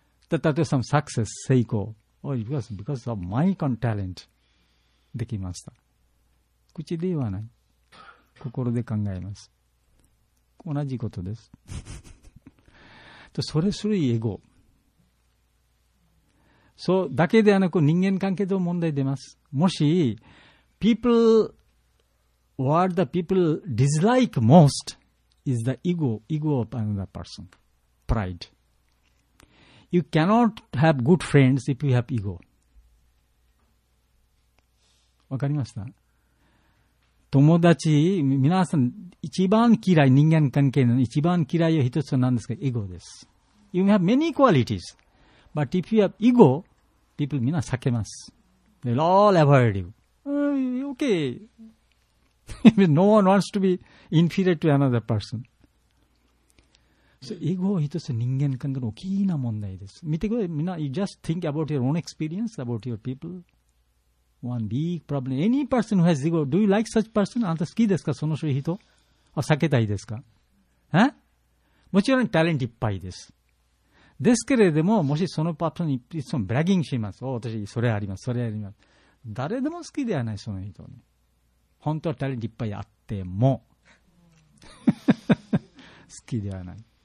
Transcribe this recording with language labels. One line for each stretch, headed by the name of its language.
Japanese: 例えば、
English: some success,
Japanese: 成功。
English: Oh, because of my talent,
Japanese: できました。口で言わない。心で考えます。同じことです。とそれするエゴ。そうだけではなく、人間関係と問題出ます。
English: もし、people,What the people dislike most is the ego of another person, pride. You cannot have good friends if you have ego.
Japanese: わかりました。友達、皆さん一番嫌い、人間関係の一番嫌いの一つは何ですか？ ego です。
English: You have many qualities, but if you have ego, people
Japanese: 皆避けます。
English: They'll all avoid you. Okay. No one wants to be inferior to another person. So, ego is a
Japanese: 人間関係の大きな問題です。見てください。みんな、
English: you just think about your own experience, about your people. One big problem. Any person who has ego, do you like such person?
Japanese: あなた好きですか、その人、人を避けたいですか？もちろん、タレントいっぱいです。ですけれども、もしそのパーソンにいつもブラギングします。お、私、それあります、それあります。誰でも好きではない、その人に。本当はタレントいっぱいあっても好きではない。